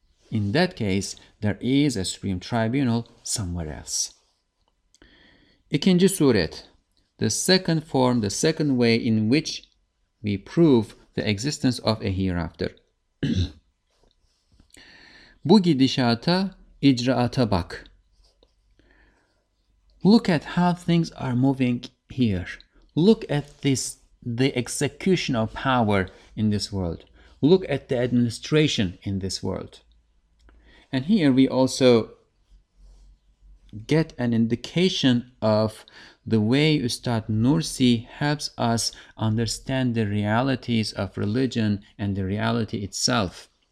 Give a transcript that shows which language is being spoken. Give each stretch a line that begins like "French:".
English: In that case, there is a supreme tribunal somewhere else.
Turkish: İkinci suret,
English: the second form, the second way in which we prove the existence of a hereafter.
Turkish: Bu gidişata, icraata bak.
English: Look at how things are moving here. Look at this, the execution of power in this world. Look at the administration in this world. And here we also get an indication of the way Ustad Nursi helps us understand the realities of religion and the reality itself.